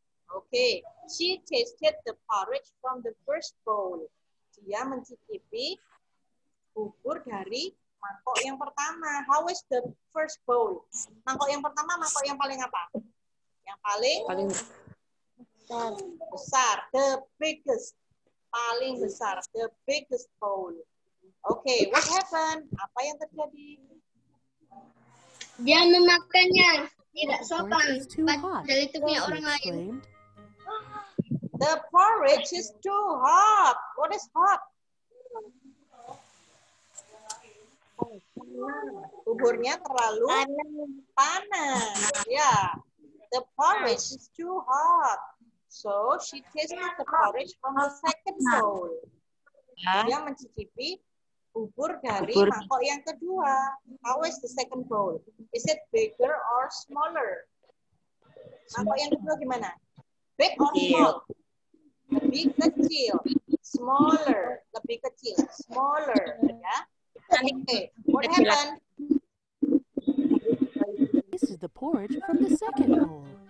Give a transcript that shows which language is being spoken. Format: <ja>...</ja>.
<en>Okay, she tasted the porridge from the first bowl.</en> <id>Dia mencicipi bubur dari mangkok yang pertama.</id> <en>How is the first bowl?</en> <id>Mangkok yang pertama, mangkok yang paling apa? Yang paling? Paling besar.</id> <en>The biggest.</en> <id>Paling besar.</id> <en>The biggest bowl. Okay, what happened?</en> <id>Apa yang terjadi? Dia memakannya. Tidak sopan. Padahal itu punya orang lain.</id> <en>The porridge is too hot. What is hot?</en> <id>Buburnya terlalu panas. Yeah.</id> <en>The porridge is too hot. So she tasted the porridge from the second bowl.</en> <id>Dia mencicipi bubur dari mangkok yang kedua.</id> <en>How is the second bowl? Is it bigger or smaller?</en> <id>Mangkok yang kedua gimana?</id> <en>Big or small?</en> <id>Lebih kecil, smaller, lebih kecil, smaller, ya.</id> <en>Okay, what happened? This is the porridge from the second bowl.</en>